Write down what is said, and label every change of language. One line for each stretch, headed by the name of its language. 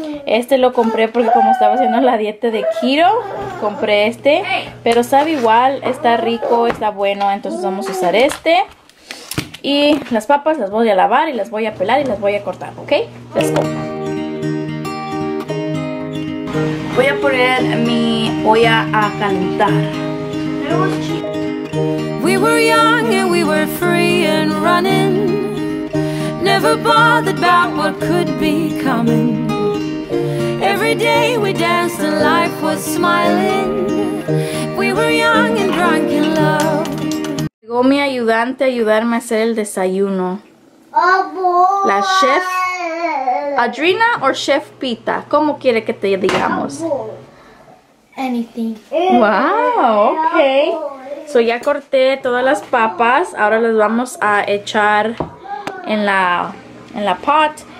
Spanish: Este lo compré porque como estaba haciendo la dieta de keto, compré este, pero sabe igual, está rico, está bueno, entonces vamos a usar este. Y las papas las voy a lavar y las voy a pelar y las voy a cortar, ¿ok?
English: Let's go.
Spanish: Voy a poner mi olla a calentar.
English: We were young and we were free and running, never bothered about what could be coming. Every day we danced and life was smiling. We were young and drunk in love.
Spanish: Llegó mi ayudante a ayudarme a hacer el desayuno. La chef Adriana o chef Pita, ¿cómo quiere que te digamos?
English: Anything. Wow, okay.
Spanish: So ya corté todas las papas. Ahora las vamos a echar en la pot.